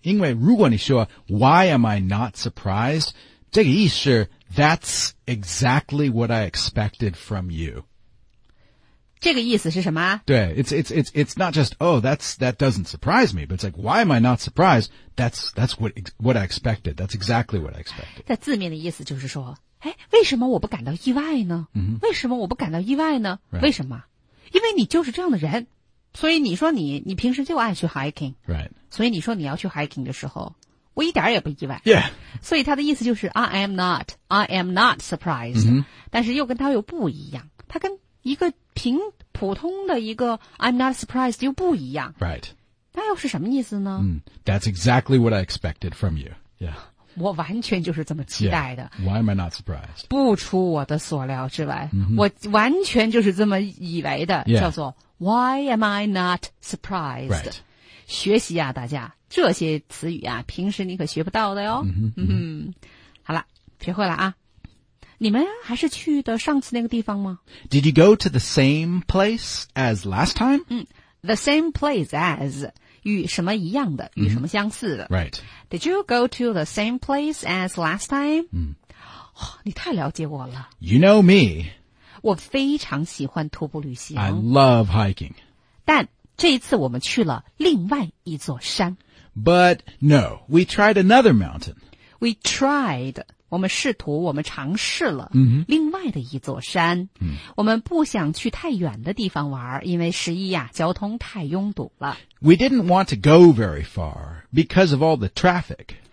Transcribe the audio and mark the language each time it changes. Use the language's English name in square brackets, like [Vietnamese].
[Chinese] 因为如果你说 [English] why am I not surprised, [Chinese] 这个意思 [English] that's exactly what I expected from you. [Chinese] 这个意思是什么 [English] 对 it's not just, oh, that doesn't surprise me, but it's like, why am I not surprised? That's what I expected. That's exactly what I expected. [Chinese] 在字面的意思就是说哎为什么我不感到意外呢、 mm-hmm. 为什么我不感到意外呢、 [English] right. [Chinese] 为什么因为你就是这样的人所以你说你平时就爱去 hiking. [English] Right. [Chinese] 所以你说你要去 hiking 的时候我一点也不意外。 [English] Yeah. [Chinese] 所以他的意思就是 [English] I am not surprised.、 Mm-hmm. [Chinese] 但是又跟他又不一样他跟一个凭普通的一个 [English] I'm not surprised [Chinese] 又不一样 [English] Right [Chinese] 那又是什么意思呢、 [English] That's exactly what I expected from you Yeah [Chinese] 我完全就是这么期待的。 [English] Yeah. Why am I not surprised? [Chinese] 不出我的所料之外、 mm-hmm. 我完全就是这么以为的、 [English] yeah. 叫做 Why am I not surprised?、 Right. [Chinese] 学习啊大家这些词语啊平时你可学不到的哟。嗯、mm-hmm. 好了学会了啊。你们还是去的上次那个地方吗 [English] ?Did you go to the same place as last time?、 Mm-hmm. The same place as... [Chinese] 与什么一样的与什么相似的、 [English] mm. Right. Did you go to the same place as last time?、 Mm. [Chinese] 哦、你太了解我了 [English] You know me [Chinese] 我非常喜欢徒步旅行 [English] I love hiking [Chinese] 但这一次我们去了另外一座山 [English] But no, we tried another mountain We tried [Chinese] 我们试图我们尝试了另外的一座山、 mm. 我们不想去太远的地方玩因为十一呀、啊、交通太拥堵了 [English] We didn't want to go very far because of all the traffic.